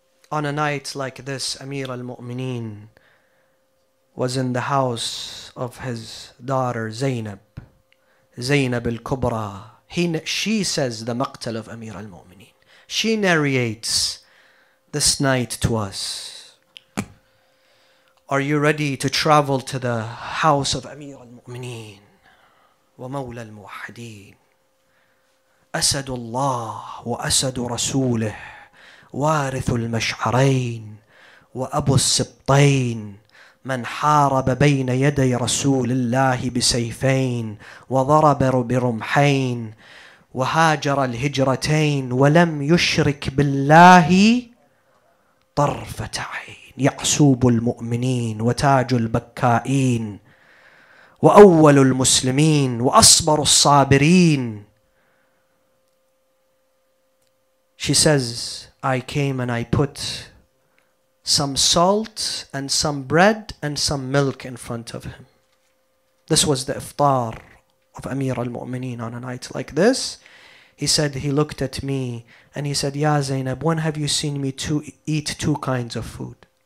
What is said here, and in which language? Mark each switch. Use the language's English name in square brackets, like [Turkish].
[English] On a night like this, Amir al-Mu'mineen was in the house of his daughter Zainab, Zainab al-Kubra. She says the maqtal of Amir al-Mu'mineen. She narrates this night to us. Are you ready to travel to the house of Amir al-Mu'mineen? [Arabic] ومولى الموحدين أسد الله وأسد رسوله وارث المشعرين وأبو السبطين من حارب بين يدي رسول الله بسيفين وضرب برمحين وهاجر الهجرتين ولم يشرك بالله طرفة عين يعسوب المؤمنين وتاج البكائين وأول المسلمين وأصبر الصابرين. [English] She says, I came and I put some salt and some bread and some milk in front of him. This was the iftar of Amir al-Mu'mineen on a night like this. He said, he looked at me and he said, Ya Zainab, when have you seen me eat two kinds of food?